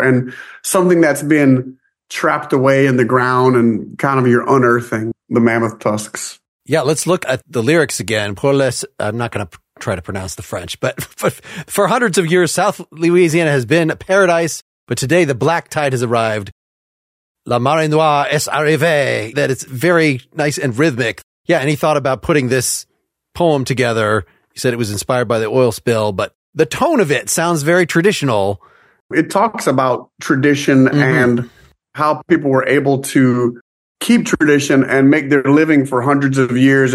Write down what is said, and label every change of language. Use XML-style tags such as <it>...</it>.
<en>And something that's been trapped away in the ground and kind of you're unearthing the mammoth tusks. Yeah, let's look at the lyrics again.</en> <fr>Pour les,</fr> <en>I'm not going to try to pronounce the French, but for hundreds of years, South Louisiana has been a paradise. But today the black tide has arrived.</en> <fr>La Mare Noire est arrivée.</fr> <en>That it's very nice and rhythmic. Yeah. And he thought about putting this poem together. He said it was inspired by the oil spill, but the tone of it sounds very traditional. It talks about tradition and how people were able to keep tradition and make their living for hundreds of years.</en>